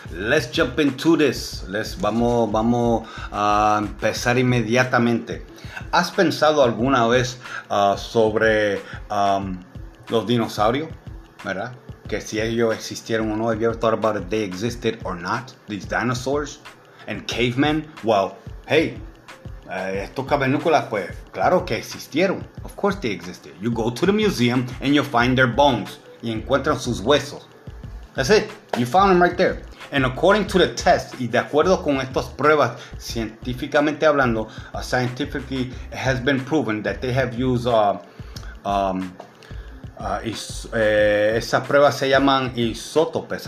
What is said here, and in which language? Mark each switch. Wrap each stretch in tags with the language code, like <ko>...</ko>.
<en>Let's jump into this.</en> <es>Vamos a empezar inmediatamente. ¿Has pensado alguna vez sobre los dinosaurios? ¿Verdad? Que si ellos existieron o no.</es> <en>Have you ever thought about if they existed or not? These dinosaurs and cavemen? Well, hey,</en> <es>estos cavernícolas, pues, claro que existieron.</es> <en>Of course they existed. You go to the museum and you find their bones.</en> <es>Y encuentran sus huesos.</es> <en>That's it. You found them right there. And according to the test,</en> <es>y de acuerdo con estas pruebas, científicamente hablando,</es> <en>scientifically, it has been proven that they have used,</en> <es>esa prueba se llaman isótopes.</es>